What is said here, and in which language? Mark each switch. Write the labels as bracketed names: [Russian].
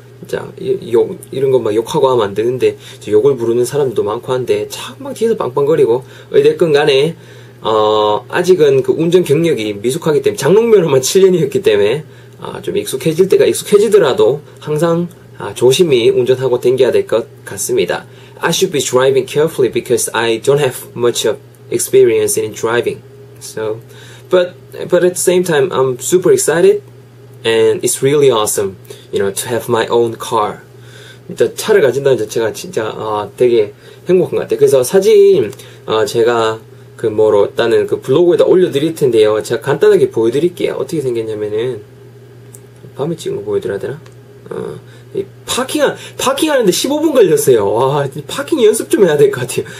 [Korean] 진짜 이런 거 막 욕하고 하면 안 되는데 욕을 부르는 사람도 많고 한데 참 막 뒤에서 빵빵거리고 어쨌건 간에 아직은 그 운전 경력이 미숙하기 때문에 장롱면허만 7년이었기 때문에 좀 익숙해질 때가 익숙해지더라도 항상 조심히 운전하고 댕겨야 될 것 같습니다. [English] I should be driving carefully because I don't have much of experience in driving. So, but at the same time, I'm super excited and it's really awesome, you know, to have my own car. [Korean] 진짜 차를 가진다는 자체가 진짜 되게 행복한 것 같아요. 그래서 사진 제가 그 뭐로 일단은 그 블로그에다 올려드릴 텐데요. 제가 간단하게 보여드릴게요. 어떻게 생겼냐면은. 밤에 찍은 거 보여드려야 되나? 파킹하는데 15분 걸렸어요. 와, 파킹 연습 좀 해야 될 것 같아요.